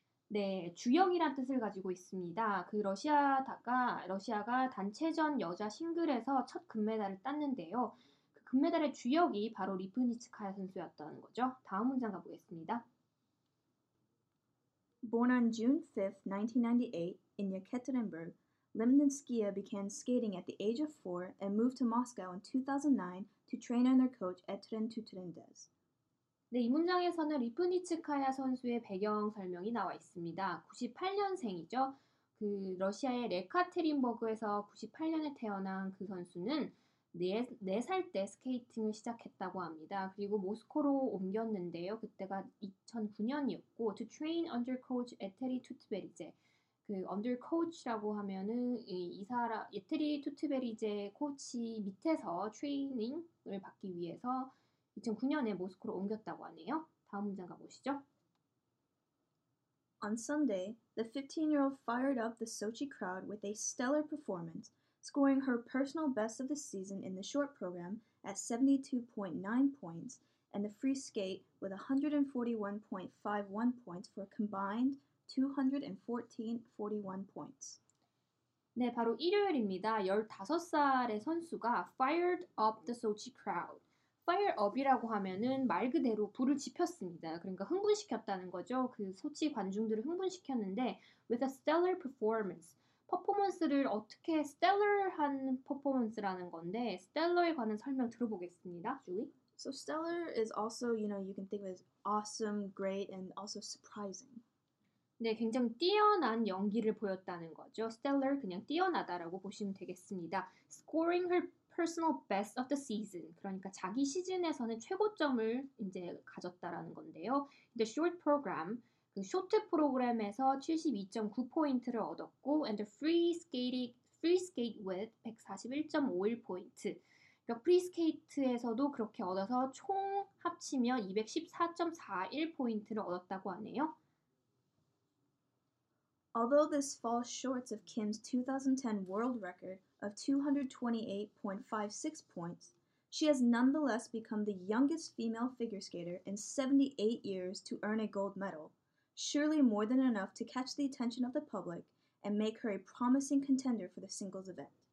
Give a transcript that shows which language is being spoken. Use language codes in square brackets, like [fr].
[ko] 네, 주역이란 뜻을 가지고 있습니다. 그 러시아가 단체전 여자 싱글에서 첫 금메달을 땄는데요. 그 금메달의 주역이 바로 리프니츠카야 선수였다는 거죠. 다음 문장 가보겠습니다. [en] Born on June 5th, 1998 in Yekaterinburg, Lipnitskaya began skating at the age of 4 and moved to Moscow in 2009 to train under coach Etren Tutrendez. [ko] 네, 이 문장에서는 리프니츠카야 선수의 배경 설명이 나와 있습니다. 98년생이죠. 그 러시아의 레카테린버그에서 98년에 태어난 그 선수는 4살 때 스케이팅을 시작했다고 합니다. 그리고 모스크바로 옮겼는데요. 그때가 2009년이었고 [en] to train under coach Etren Tutrendez. [ko] 그 under coach라고 하면은 예테리 투트베리제 코치 밑에서 트레이닝을 받기 위해서 2009년에 모스크바로 옮겼다고 하네요. 다음 문장 가보시죠. [en] On Sunday, the 15-year-old fired up the Sochi crowd with a stellar performance, scoring her personal best of the season in the short program at 72.9 points and the free skate with 141.51 points for a combined 214.41 points. [ko] 네, 바로 일요일입니다. 15살의 선수가 [en] fired up the Sochi crowd. [ko] Fire up이라고 하면은 말 그대로 불을 지폈습니다. 그러니까 흥분시켰다는 거죠. 그 소치 관중들을 흥분시켰는데 [en] with a stellar performance. [ko] 퍼포먼스를 어떻게 stellar한 퍼포먼스라는 건데 stellar에 관한 설명 들어보겠습니다. Julie? [en] So stellar is also, you know, you can think of it as awesome, great, and also surprising. [ko] 네, 굉장히 뛰어난 연기를 보였다는 거죠. [en] Stellar, [ko] 그냥 뛰어나다라고 보시면 되겠습니다. [en] Scoring her personal best of the season. [ko] 그러니까 자기 시즌에서는 최고점을 이제 가졌다라는 건데요. [en] The short program, [ko] 그 쇼트 프로그램에서 72.9포인트를 얻었고 [en] and the free skate with [ko] 141.51포인트. 프리스케이트에서도 그렇게 얻어서 총 합치면 214.41포인트를 얻었다고 하네요. [en] Although this falls short of Kim's 2010 world record of 228.56 points, she has nonetheless become the youngest female figure skater in 78 years to earn a gold medal, surely more than enough to catch the attention of the public and make her a promising contender for the singles event.